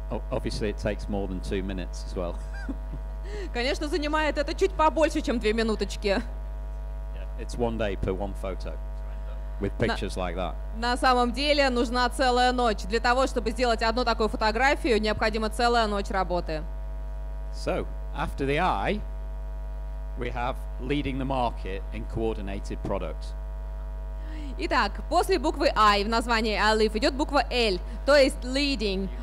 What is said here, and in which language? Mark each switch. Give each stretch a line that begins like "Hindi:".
English: Obviously, it takes more than 2 minutes as well.
Russian: Конечно, занимает это чуть побольше, чем 2 минуточки.
English: Yeah, it's one day per one photo with pictures like that.
Russian: На самом деле нужна целая ночь. Для того, чтобы сделать одну такую фотографию, необходима целая ночь работы.
English: So, after the eye, we have leading the market in coordinated product.
Russian: Итак, после буквы I в названии iLive идет буква L, то есть leading.